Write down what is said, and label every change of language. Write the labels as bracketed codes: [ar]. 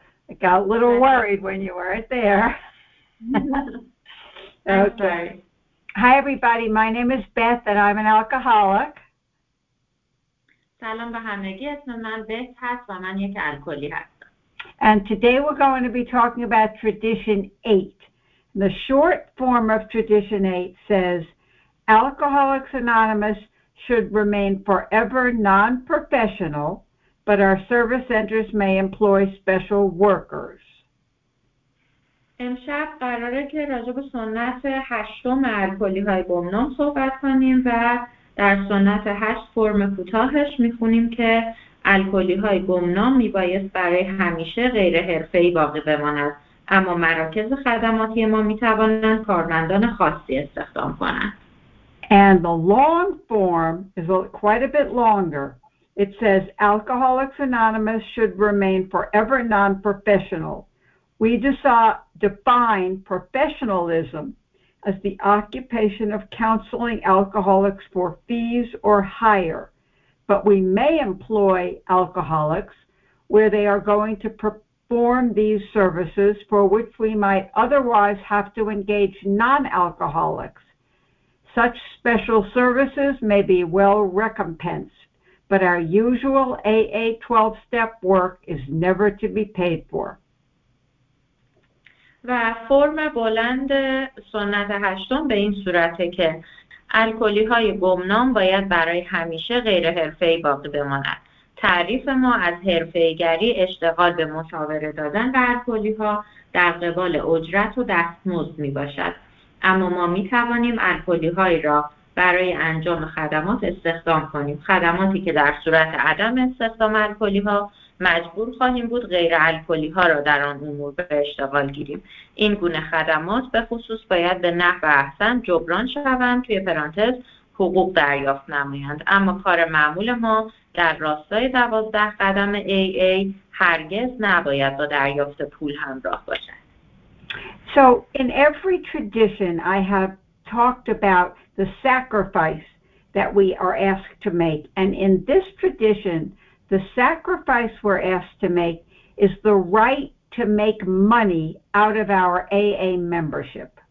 [en] I got a little worried when you weren't there. Okay. Hi, everybody. My name is Beth, and I'm an alcoholic. [fa] سلام به همگی. اسم من بیت هست و من یک الکلی هستم. [en] And today we're going to be talking about Tradition 8. The short form of Tradition 8 says, Alcoholics Anonymous should remain forever non-professional, but our service centers may employ special workers. [fa] امشب قراره که راجع به سنت هشتم الکلی‌های گمنام صحبت کنیم و در سنت هشت فرم کوتاهش می‌خونیم که الکلی‌های گمنام می‌بایست برای همیشه غیر حرفه‌ای باقی بماند، اما مراکز خدماتی ما می‌توانند کارمندان خاصی استخدام کنند. [en] And the long form is quite a bit longer. It says, Alcoholics Anonymous should remain forever non-professional. We define professionalism as the occupation of counseling alcoholics for fees or hire. But we may employ alcoholics where they are going to perform these services for which we might otherwise have to engage non-alcoholics. Such special services may be well recompensed, but our usual AA 12-step work is never to be paid for. [fa] و فرم بلند سنت هشتم به این صورته که الکلی‌های گمنام باید برای همیشه غیر حرفه‌ای باقی بماند. تعریف ما از حرفه‌ای‌گری اشتغال به مشاوره دادن به الکلی‌ها در قبال اجرت و دستمزد می‌باشد. اما ما می توانیم الکلی‌های را برای انجام خدمات استخدام کنیم، خدماتی که در صورت عدم استخدام الکلی‌ها مجبور خواهیم بود غیر الکلی‌ها را در آن امور به اشتغال گیریم. این گونه خدمات به خصوص باید به نحو احسن جبران شوند، توی پرانتز حقوق دریافت نمایند. اما کار معمول ما در راستای 12 قدم AA هرگز نباید با دریافت پول همراه باشد. [en] So in every tradition, I have talked about the sacrifice that we are asked to make. And in this tradition, the sacrifice we're asked to make is the right to make money out of our AA membership.